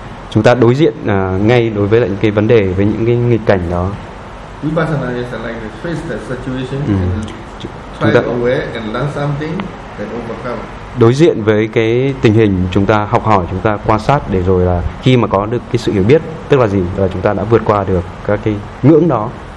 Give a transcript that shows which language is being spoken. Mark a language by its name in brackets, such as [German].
[Vietnamese] Chúng ta đối diện ngay đối với lại những cái vấn đề, với những cái nghịch cảnh đó. [English] Vipassana is like face the situation and try to aware and learn something and overcome. [Vietnamese] Đối diện với cái tình hình, chúng ta học hỏi, chúng ta quan sát, để rồi là khi mà có được cái sự hiểu biết, tức là gì? Là chúng ta đã vượt qua được các cái ngưỡng đó.